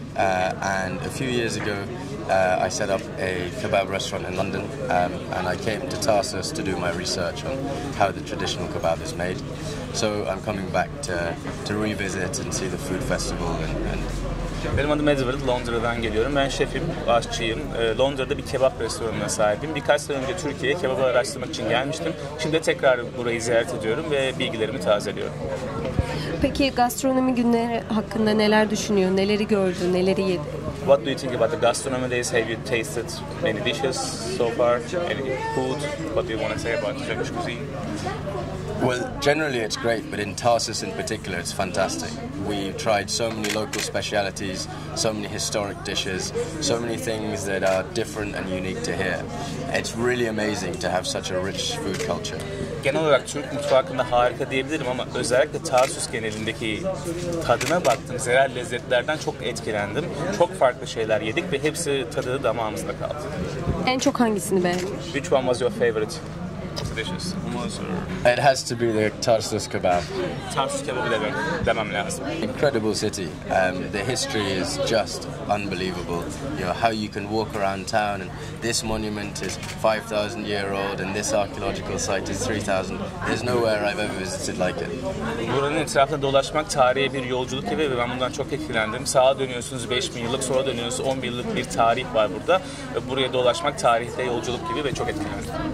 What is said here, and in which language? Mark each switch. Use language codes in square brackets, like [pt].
[en] And a few years ago, I set up a kebab restaurant in London. And I came to Tarsus to do my research on how the traditional kebab is made. So I'm coming back to revisit and see the food festival. [tr] Benim adım Edward. Londra'dan geliyorum. Ben şefim, aşçıyım. Londra'da bir kebap restoranına sahibim. Birkaç sene önce Türkiye'ye kebap araştırmak için gelmiştim. Şimdi de tekrar burayı ziyaret ediyorum ve bilgilerimi tazeliyorum. Peki gastronomi günleri hakkında neler düşünüyor? Neleri gördü, neleri yedi? [en] What do you think about the gastronomy days? Have you tasted many dishes so far? Any food? What do you want to say about Turkish cuisine? Well, generally it's great, but in Tarsus in particular, it's fantastic. We've tried so many local specialities, so many historic dishes, so many things that are different and unique to here. It's really amazing to have such a rich food culture. [tr] Genel olarak Türk mutfağı hakkında harika diyebilirim ama özellikle Tarsus genelindeki tadına baktım. Zerel lezzetlerden çok etkilendim. Çok farklı şeyler yedik ve hepsi tadı damağımızda kaldı. En çok hangisini beğendin? [en] Which one was your favorite? Delicious. Hummus or... It has to be the Tarsus kebab. [tr] Tarsus kebabı demem lazım. [en] Incredible city. The history is just unbelievable. You know, how you can walk around town and this monument is 5,000 year old and this archaeological site is 3,000. There's nowhere I've ever visited like it. [tr] Buranın etrafında dolaşmak tarihe bir yolculuk gibi ve ben bundan çok etkilendim. Sağa dönüyorsunuz 5000 yıllık, sonra dönüyorsunuz 10.000 yıllık bir tarih var burada. Buraya dolaşmak tarihte yolculuk gibi ve çok etkilendim.